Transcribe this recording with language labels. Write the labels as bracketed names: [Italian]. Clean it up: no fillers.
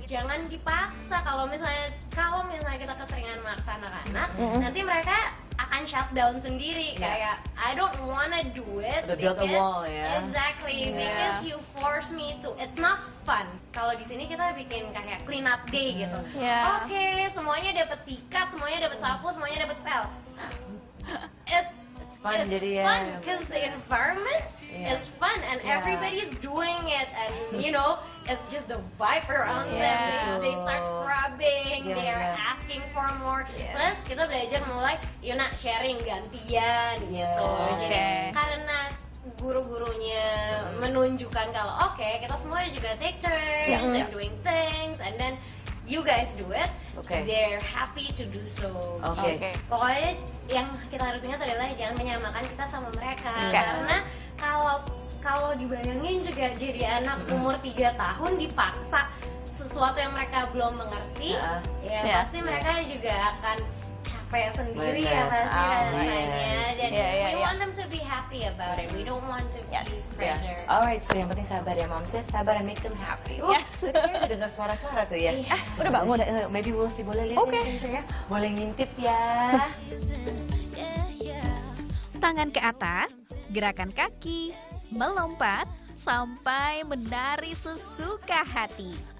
[Indonesian] Jangan dipaksa, kalau misalnya kita keseringan maksa anak-anak, nanti mereka akan shutdown sendiri, kayak [English] I don't wanna do it. The build a wall, yeah. Exactly, yeah. Because you force me to. It's not fun. [Indonesian] Kalau di sini kita bikin kayak [English] clean up day [Indonesian] gitu. [English] Yeah. [Indonesian] Okay, semuanya dapat sikat, semuanya dapat sapu, semuanya dapat pel. [English] It's fun, [Indonesian] jadi ya. [English] It's fun because the environment is fun and everybody's doing it, and you know, it's just the vibe around them. They start scrubbing, they are asking for more. [Indonesian] Plus kita belajar mulai, [English] you're not sharing [Indonesian] gantian gitu. Jadi karena guru-gurunya menunjukkan kalau okay, kita semua juga [English] take turns and doing things, and then you guys do it, they're happy to do so. [Indonesian] Pokoknya yang kita harus ingat adalah jangan menyamakan kita sama mereka. Karena kalau dibayangin juga jadi anak umur 3 tahun dipaksa sesuatu yang mereka belum mengerti, pasti mereka juga akan capek sendiri rasanya. Dan [English] we want them to be happy about it. We don't want to be pressure. Yeah. Alright, so [Indonesian] yang penting sabar ya, Mom. Saya sabar [English] and make them happy. Okay, [Indonesian] dengar suara-suara tuh ya. Udah bangun. [English] Maybe we'll see. [Indonesian] Boleh lihat ya. Boleh ngintip ya. Tangan ke atas, gerakan kaki, melompat, sampai menari sesuka hati.